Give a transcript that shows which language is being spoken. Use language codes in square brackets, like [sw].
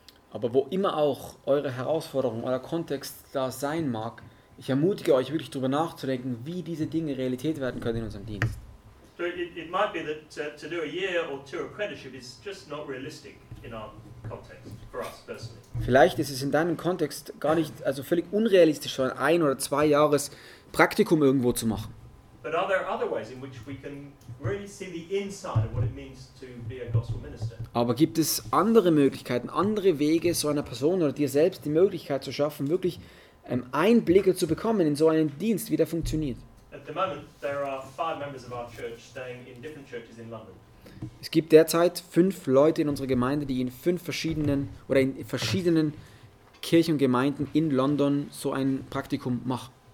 [de] Aber wo immer auch eure Herausforderung, euer Kontext da sein mag, ich ermutige euch wirklich darüber nachzudenken, wie diese Dinge Realität werden können in unserem Dienst. [en] It might be that to do a year or two apprenticeship is just not realistic in our context for us personally. [de] Vielleicht ist es in deinem Kontext gar nicht, also völlig unrealistisch, schon ein oder zwei Jahres Praktikum irgendwo zu machen. [en] But are there other ways in which we can really see the inside of what it means to be a gospel minister? [de] Aber gibt es andere Möglichkeiten, andere Wege, so einer Person oder dir selbst die Möglichkeit zu schaffen, wirklich Einblicke zu bekommen in so einen Dienst, wie der funktioniert? [en] At the moment, there are 5 members of our church staying in different churches in London. [de] Es gibt derzeit 5 Leute in unserer Gemeinde, die in 5 verschiedenen oder in verschiedenen Kirchen und Gemeinden in London so ein Praktikum machen.